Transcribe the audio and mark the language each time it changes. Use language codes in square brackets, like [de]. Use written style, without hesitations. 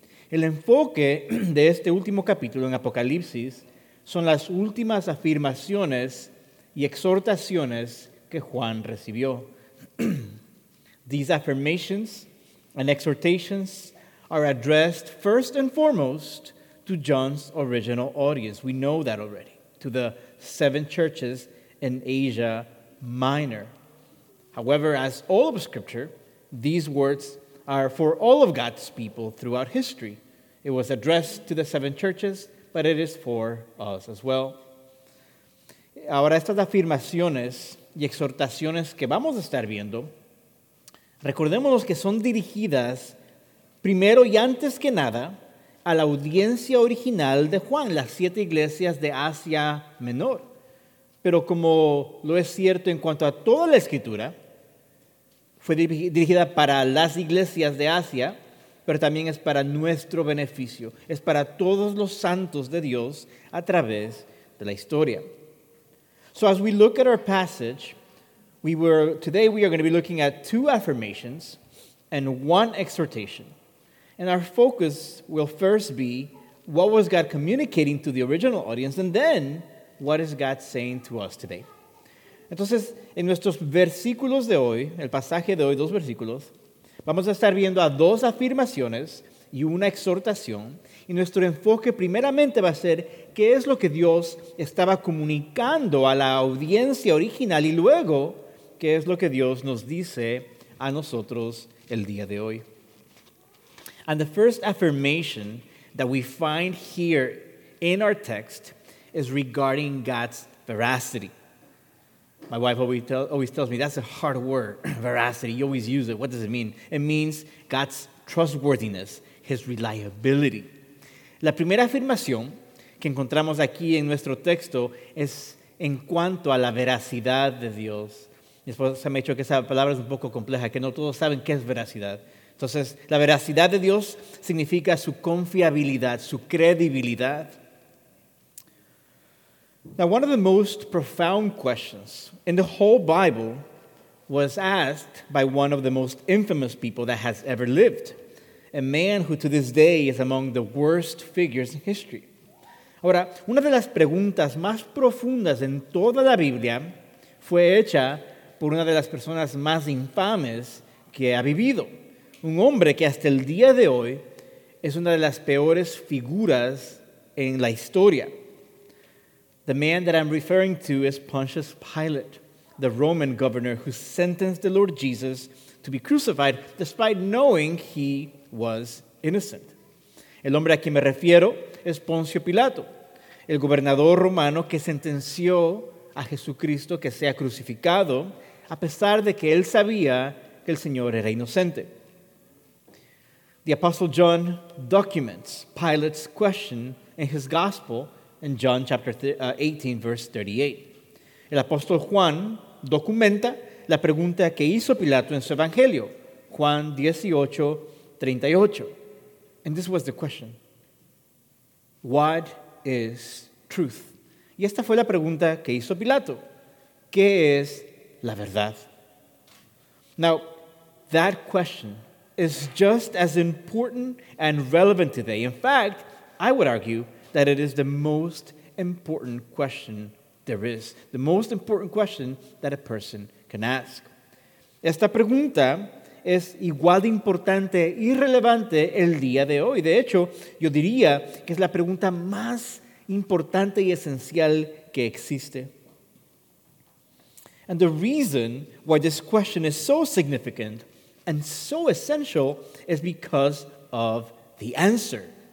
[es] El enfoque de este último capítulo en Apocalipsis son las últimas afirmaciones y exhortaciones que Juan recibió. [en] These affirmations and exhortations are addressed first and foremost to John's original audience. We know that already, to the 7 churches in Asia Minor. However, as all of Scripture, these words are for all of God's people throughout history. It was addressed to the 7 churches, but it is for us as well. [es] Ahora, estas afirmaciones y exhortaciones que vamos a estar viendo, recordémonos que son dirigidas primero y antes que nada a la audiencia original de Juan, las 7 iglesias de Asia Menor. Pero como lo es cierto en cuanto a toda la escritura, fue dirigida para las iglesias de Asia, pero también es para nuestro beneficio. Es para todos los santos de Dios a través de la historia. [en] So as we look at our passage, today we are going to be looking at 2 affirmations and 1 exhortation. And our focus will first be what was God communicating to the original audience, and then what is God saying to us today? [es] Entonces, en nuestros versículos de hoy, el pasaje de hoy, 2 versículos, vamos a estar viendo a 2 afirmaciones y una exhortación. Y nuestro enfoque primeramente va a ser qué es lo que Dios estaba comunicando a la audiencia original y luego qué es lo que Dios nos dice a nosotros el día de hoy. [en] And the first affirmation that we find here in our text is regarding God's veracity. My wife always tells me, that's a hard word, veracity. You always use it. What does it mean? It means God's trustworthiness, his reliability. [es] La primera afirmación que encontramos aquí en nuestro texto es en cuanto a la veracidad de Dios. Mi esposa me ha dicho que esa palabra es un poco compleja, que no todos saben qué es veracidad. Entonces, la veracidad de Dios significa su confiabilidad, su credibilidad. [en] Now, one of the most profound questions in the whole Bible was asked by one of the most infamous people that has ever lived, a man who to this day is among the worst figures in history. [es] Ahora, una de las preguntas más profundas en toda la Biblia fue hecha por una de las personas más infames que ha vivido. Un hombre que hasta el día de hoy es una de las peores figuras en la historia. [en] The man that I'm referring to is Pontius Pilate, the Roman governor who sentenced the Lord Jesus to be crucified despite knowing he was innocent. [es] El hombre a quien me refiero es Poncio Pilato, el gobernador romano que sentenció a Jesucristo que sea crucificado a pesar de que él sabía que el Señor era inocente. [en] The Apostle John documents Pilate's question in his gospel in John chapter 18, verse 38. [es] El apóstol Juan documenta la pregunta que hizo Pilato en su evangelio, Juan 18:38. [en] And this was the question: what is truth? [es] Y esta fue la pregunta que hizo Pilato: ¿qué es la verdad? [en] Now, that question is just as important and relevant today. In fact, I would argue that it is the most important question there is, the most important question that a person can ask. [es] Esta pregunta es igual de importante y relevante el día de hoy. De hecho, yo diría que es la pregunta más importante y esencial que existe. [en] And the reason why this question is so significant and so essential is because of the answer.